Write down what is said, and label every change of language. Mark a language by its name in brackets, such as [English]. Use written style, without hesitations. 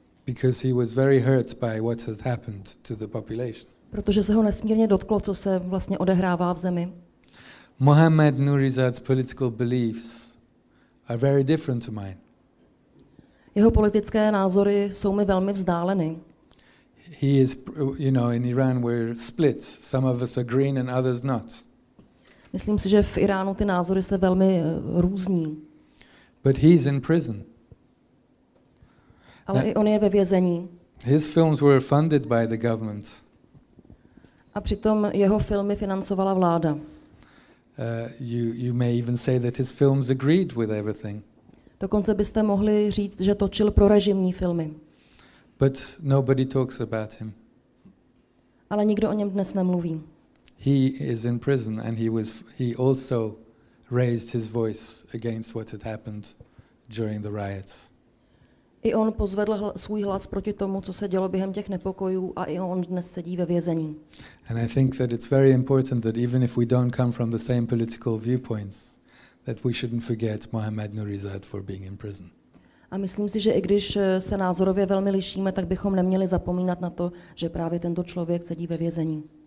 [English] Because he was very hurt by what has happened to the population. [Czech] Protože se ho nesmírně dotklo, co se vlastně odehrává v zemi. [English] Mohammad Nourizad's political beliefs are very different to mine. [Czech] Jeho politické názory jsou mi velmi vzdáleny. [English] He is, in Iran we're split. Some of us are green and others not. [Czech] Myslím si, že v Iránu ty názory se velmi různí. [English] But he's in prison. [Czech] Ale i on je ve vězení. [English] His films were funded by the government. [Czech] A přitom jeho filmy financovala vláda. [English] You may even say that his films agreed with everything. [Czech] Dokonce byste mohli říct, že točil pro režimní filmy. [English] But nobody talks about him. [Czech] Ale nikdo o něm dnes nemluví. [English] He is in prison and he also raised his voice against what had happened during the riots. [Czech] I on pozvedl svůj hlas proti tomu, co se dělo během těch nepokojů, a i on dnes sedí ve vězení. [English] And I think that it's very important that even if we don't come from the same political viewpoints, that we shouldn't forget Mohammad Nourizad for being in prison. [Czech] A myslím si, že i když se názorově velmi lišíme, tak bychom neměli zapomínat na to, že právě tento člověk sedí ve vězení.